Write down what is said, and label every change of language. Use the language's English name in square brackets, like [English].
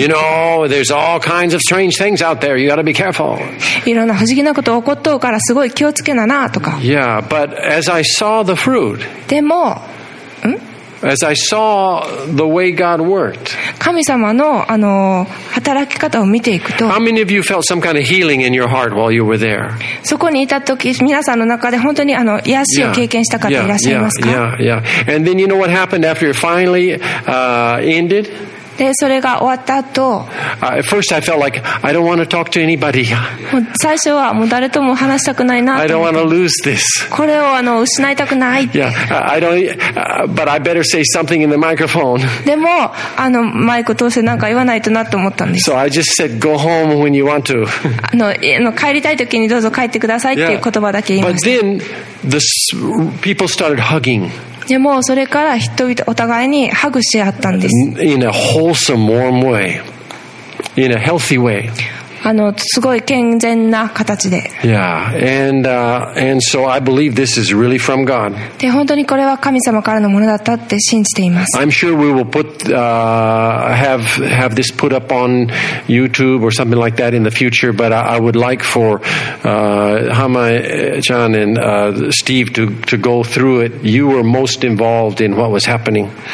[English] You know, there's all kinds of strange things out there. You got to be careful. [Japanese] いろんな不思議なこと起こっとうからすごい気をつけななとか。 [English] Yeah, but as I saw the fruit. [Japanese] でも、ん？ [English] As I saw the way God worked. [Japanese] 神様の働き方を見ていくと。 [English] How many of you felt some kind of healing in your heart while you were there? [Japanese] そこにいた時、皆さんの中で本当に癒しを経験した方いらっしゃいますか？ [English] Yeah, yeah, yeah, yeah. And then you know what happened after it finally, ended? [Japanese] で、それが終わった後。 [English] At first I felt like, I don't want to talk to anybody. [Japanese] 最初はもう誰とも話したくないなって。 [English] I don't want to lose this. [Japanese] これを失いたくないって。 [English] Yeah, I don't, but I better say something in the microphone. [Japanese] でも、マイク通して何か言わないとなと思ったんです。 [English] So I just said, go home when you want to. [Japanese] 帰りたい時にどうぞ帰ってくださいっていう言葉だけ言いました。 [English] But then, the people started hugging. [Japanese] でもそれから人々お互いにハグし合ったんです。 [English] In a wholesome, warm way. In a healthy way. [Japanese] すごい健全な形で。 [English] Yeah. And so I believe this is really from God. [Japanese] で、本当にこれは神様からのものだったって信じています。 [English] I'm sure we will put, have this put up on YouTube or something like that in the future, but I would like for, Hama-chan and, Steve to go through it. You were most involved in what was happening.